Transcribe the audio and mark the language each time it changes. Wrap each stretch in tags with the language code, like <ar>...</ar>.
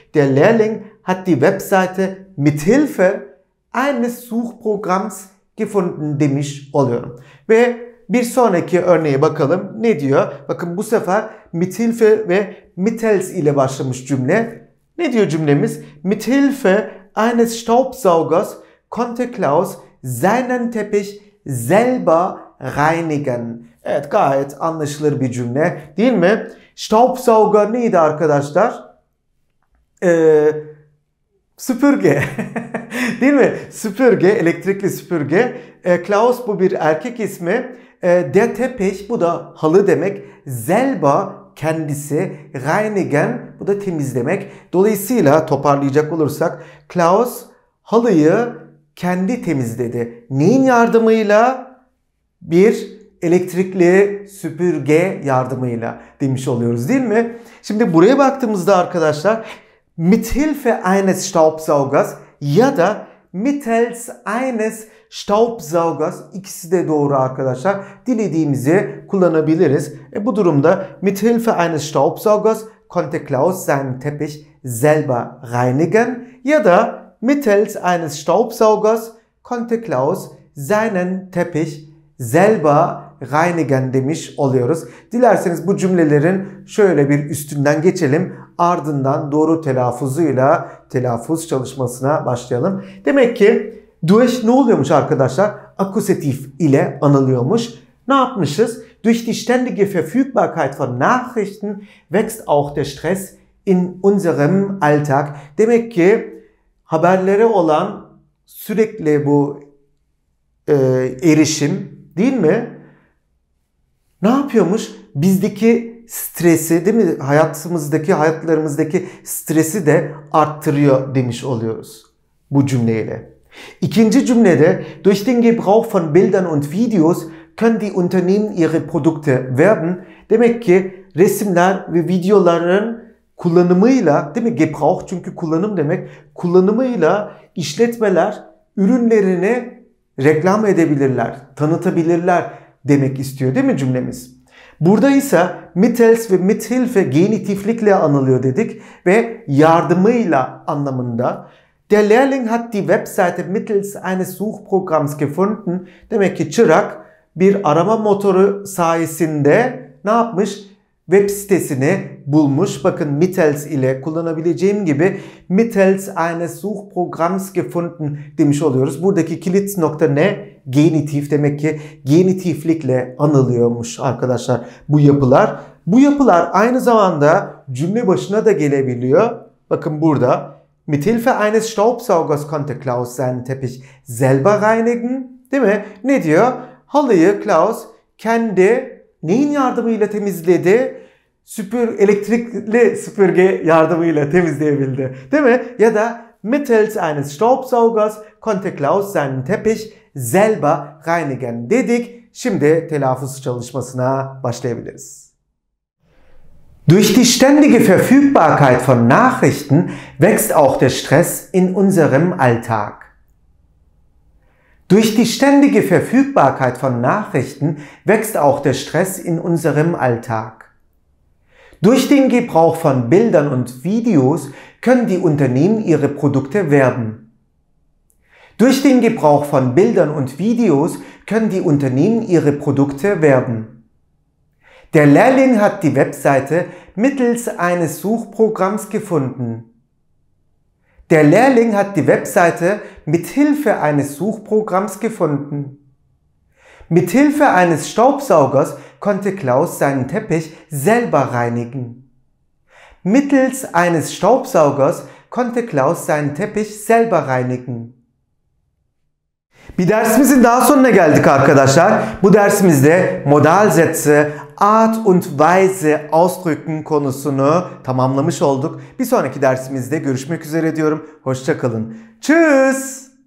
<de>Der Lehrling hat die Webseite mithilfe eines Suchprogramms gefunden</de> <tr>demiş oluyorum. Ve bir sonraki örneğe bakalım. Ne diyor? Bakın bu sefer mithilfe ve mittels ile başlamış cümle. Ne diyor cümlemiz?</tr> <de>Mithilfe eines Staubsaugers konnte Klaus seinen Teppich selber reinigen.</de> <tr>Evet, gayet anlaşılır bir cümle değil mi? Staubsauger neydi arkadaşlar? Süpürge. Değil mi? Süpürge, elektrikli süpürge. Klaus bu bir erkek ismi. Der Teppich, bu da halı demek. Selber kendisi. Reinigen, bu da temizlemek. Dolayısıyla toparlayacak olursak Klaus halıyı kendi temizledi. Neyin yardımıyla? Bir elektrikli süpürge yardımıyla demiş oluyoruz değil mi? Şimdi buraya baktığımızda arkadaşlar</tr> <de>mithilfe eines Staubsaugers</de> <tr>ya da</tr> <de>mittels eines Staubsaugers,</de> <tr>ikisi de doğru arkadaşlar. Dilediğimizi kullanabiliriz. Bu durumda</tr> <de>mithilfe eines Staubsaugers konnte Klaus seinen Teppich selber reinigen</de> <tr>ya da</tr> <de>mittels eines Staubsaugers konnte Klaus seinen Teppich selber</de> <tr>reinigen demiş oluyoruz. Dilerseniz bu cümlelerin şöyle bir üstünden geçelim. Ardından doğru telaffuzuyla telaffuz çalışmasına başlayalım. Demek ki durch ne oluyormuş arkadaşlar? Akkusatif ile anılıyormuş. Ne yapmışız?</tr> <de>Durch die ständige Verfügbarkeit von Nachrichten wächst auch der Stress in unserem Alltag.</de> <tr>Demek ki haberlere olan sürekli bu erişim değil mi? Ne yapıyormuş? Bizdeki stresi değil mi? Hayatımızdaki, hayatlarımızdaki stresi de arttırıyor demiş oluyoruz bu cümleyle. İkinci cümlede</tr> <de>durch den Gebrauch von Bildern und Videos können die Unternehmen ihre Produkte werben.</de> <tr>Demek ki resimler ve videoların kullanımıyla, değil mi? Gebrauch çünkü kullanım demek. Kullanımıyla işletmeler ürünlerini reklam edebilirler, tanıtabilirler demek istiyor değil mi cümlemiz? Burada ise mittels ve mithilfe genitiflikle anılıyor dedik ve yardımıyla anlamında.</tr> <de>Der Lehrling hat die Webseite mittels eines Suchprogramms gefunden.</de> <tr>Demek ki çırak bir arama motoru sayesinde ne yapmış? Web sitesini bulmuş. Bakın mittels ile kullanabileceğim gibi</tr> <de>mittels eines Suchprogramms gefunden</de> <tr>demiş oluyoruz. Buradaki kilit nokta ne? Genitif. Demek ki genitiflikle anılıyormuş arkadaşlar bu yapılar. Bu yapılar aynı zamanda cümle başına da gelebiliyor. Bakın burada.</tr> <de>Mit Hilfe eines Staubsaugers konnte Klaus seinen Teppich selber reinigen.</de> <tr>Değil mi? Ne diyor? Halıyı Klaus kendi neyin yardımıyla temizledi? Elektrikli süpürge yardımıyla temizleyebildi. Değil mi? Ya da</tr> <de>mittels eines Staubsaugers konnte Klaus seinen Teppich selber reinigen</de> <tr>dedik. Şimdi telaffuz çalışmasına başlayabiliriz.</tr> <de>Durch die ständige Verfügbarkeit von Nachrichten wächst auch der Stress in unserem Alltag. Durch die ständige Verfügbarkeit von Nachrichten wächst auch der Stress in unserem Alltag. Durch den Gebrauch von Bildern und Videos können die Unternehmen ihre Produkte werben. Durch den Gebrauch von Bildern und Videos können die Unternehmen ihre Produkte werben. Der Lehrling hat die Webseite mittels eines Suchprogramms gefunden. Der Lehrling hat die Webseite mit Hilfe eines Suchprogramms gefunden. Mit Hilfe eines Staubsaugers konnte Klaus seinen Teppich selber reinigen. Mittels eines Staubsaugers konnte Klaus seinen Teppich selber reinigen.</de> <tr>Bir dersimizin daha sonuna geldik arkadaşlar. Bu dersimizde</tr> <de>modalsätze, Art und Weise ausdrücken</de> <tr>konusunu tamamlamış olduk. Bir sonraki dersimizde görüşmek üzere diyorum. Hoşça kalın.</tr> <de>Tschüss.</de>